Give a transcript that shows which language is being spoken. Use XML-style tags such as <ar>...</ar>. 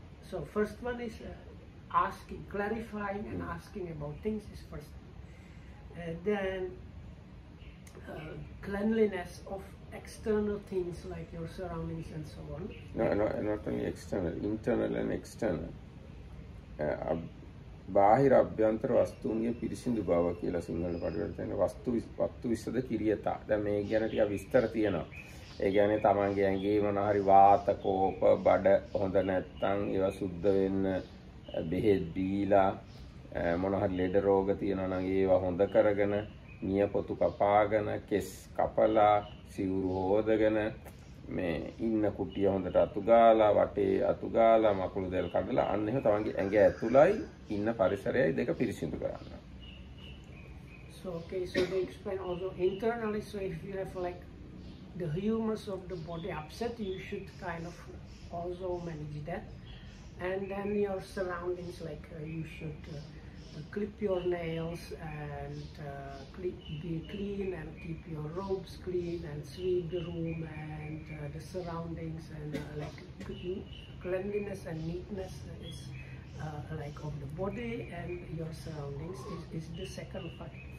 <en>So, first one is asking, clarifying and asking about things is first. Then cleanliness of external things like your surroundings and so on. No, not only external, internal and external.</en> <si>බාහිර අභ්‍යන්තර වස්තුන්ගේ පිරිසිදු බව කියලා සිංහල පරිවර්තනය</si> <pi>වස්තු වස්තු විශ්වද කිරියතා.</pi> <si>දැන් මේ ගැන ටික විස්තර තියෙනවා. ඒ කියන්නේ තමන්ගේ ඇඟේ මොනවා හරි වාත කෝප බඩ හොඳ නැත්නම් ඒවා සුද්ධ වෙන්න බෙහෙත් බීලා මොනවා හරි ලෙඩ රෝග තියෙනවා නම් ඒවා හොඳ කරගෙන නිය පොතු කපාගෙන කෙස් කපලා සිවුරු හොදගෙන මේ ඉන්න කුටිය හොඳට අතුගාලා වටේ අතුගාලා මකුළු දැල් කඩලා අන්න එහෙම තමන්ගේ ඇඟ ඇතුළයි ඉන්න පරිසරයයි දෙක පිරිසිදු කරන්න.</si> <en>So okay, so they explain also internally, so if you have like the humors of the body upset, you should kind of also manage that. And then your surroundings, like you should clip your nails and be clean and keep your robes clean and sweep the room and the surroundings, and like cleanliness and neatness is like of the body and your surroundings is the second factor.</en>